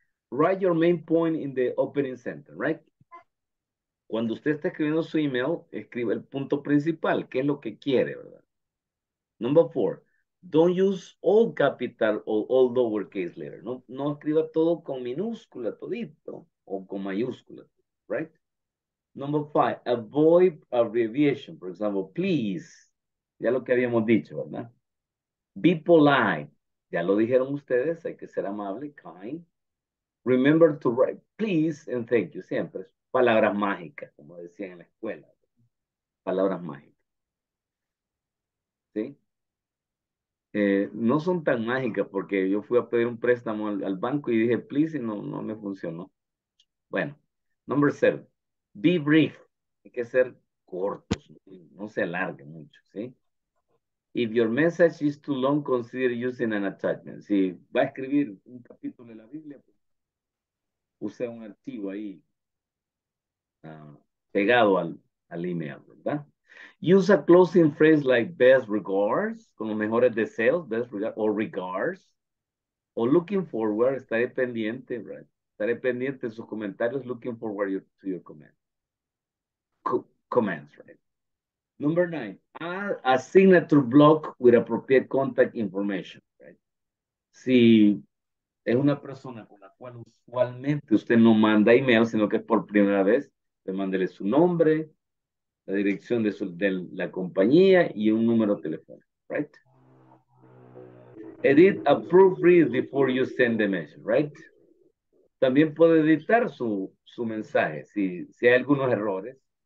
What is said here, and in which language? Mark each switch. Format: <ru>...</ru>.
<en>Write your main point in the opening sentence, right?</en> <es>Cuando usted está escribiendo su email, escribe el punto principal, qué es lo que quiere, ¿verdad?</es> <en>Number four, don't use all capital or all lowercase letter.</en> <es>No, no escriba todo con minúscula todito o con mayúscula, right?</es> <en>Number five, avoid abbreviation. For example, please,</en> <es>ya lo que habíamos dicho, ¿verdad?</es> <en>Be polite,</en> <es>ya lo dijeron ustedes, hay que ser amable,</es> <en>kind. Remember to write please and thank you.</en> <es>Siempre. Palabras mágicas, como decían en la escuela. Palabras mágicas. ¿Sí? No son tan mágicas porque yo fui a pedir un préstamo al banco y dije please y no me funcionó. Bueno.</es> <en>Number seven. Be brief.</en> <es>Hay que ser cortos. No se alargue mucho. ¿Sí?</es> <en>If your message is too long, consider using an attachment.</en> <es>Si va a escribir un capítulo de la Biblia, pues, use un archivo ahí pegado al email, ¿verdad?</es> <en>Use a closing phrase like best regards,</en> <es>con los mejores deseos,</es> <en>best regards, or regards, or looking forward,</en> <es>estaré pendiente,</es> <en>right?</en> <es>Estaré pendiente de sus comentarios,</es> <en>looking forward to your comments. Comments, right? Number 9, add a signature block with appropriate contact information, right?</en> <es>Si es una persona con la cual usualmente usted no manda email, sino que es por primera vez, le mándele su nombre, la dirección de la compañía y un número telefónico, right?</es> <en>Edit a proofread before you send the message, right?</en> <es>También puede editar su mensaje si hay algunos errores.</es>